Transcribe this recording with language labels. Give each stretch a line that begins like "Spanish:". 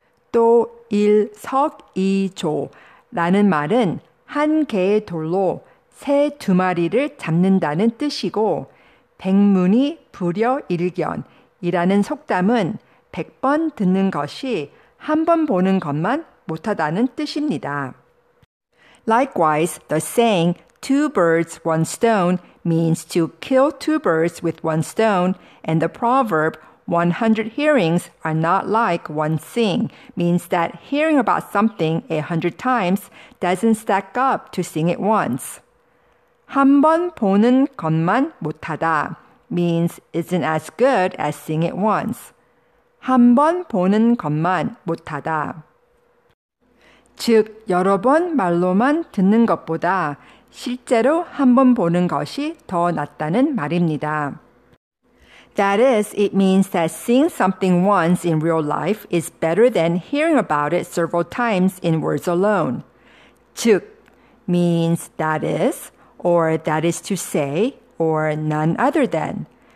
Korean: 또 일석이조라는 말은 한 개의 돌로 새 두 마리를 잡는다는 뜻이고 백문이 불여일견이라는 속담은 100번 듣는 것이 한 번 보는 것만 못하다는 뜻입니다.
English: Likewise, the saying two birds, one stone means to kill two birds with one stone and the proverb 100 hearings are not like one seeing means that hearing about something 100 times doesn't stack up to seeing it once.
Korean: 한번 보는 것만 못하다
English: means isn't as good as seeing it once.
Korean: 한번 보는 것만 못하다. 즉, 여러 번 말로만 듣는 것보다 실제로 한번 보는 것이 더 낫다는 말입니다.
English: That is, it means that seeing something once in real life is better than hearing about it several times in words alone.
Korean: 즉,
English: means that is, or that is to say, or none other than.